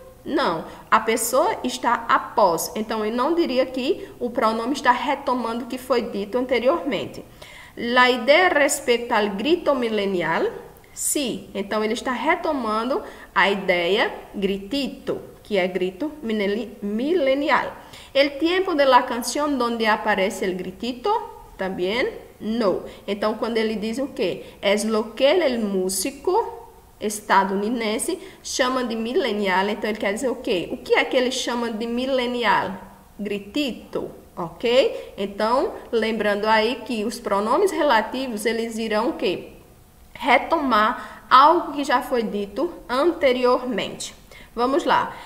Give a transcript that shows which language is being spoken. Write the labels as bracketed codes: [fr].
[pt] Não, a pessoa está após. Então, eu não diria que o pronome está retomando o que foi dito anteriormente. [es] La idea respecto al grito millennial, [pt] sim. [es] Sí. [pt] Então, ele está retomando a ideia gritito, que é grito millennial. [es] El tiempo de la canción donde aparece el gritito, también, no. [pt] Então, quando ele diz o quê? [es] Es lo que el músico estadounidense [pt] chama de [es] millennial. [pt] Então, ele quer dizer o quê? O que é que ele chama de millennial? Gritito, ok? Então, lembrando aí que os pronomes relativos, eles irão o quê? Retomar algo que já foi dito anteriormente. Vamos lá.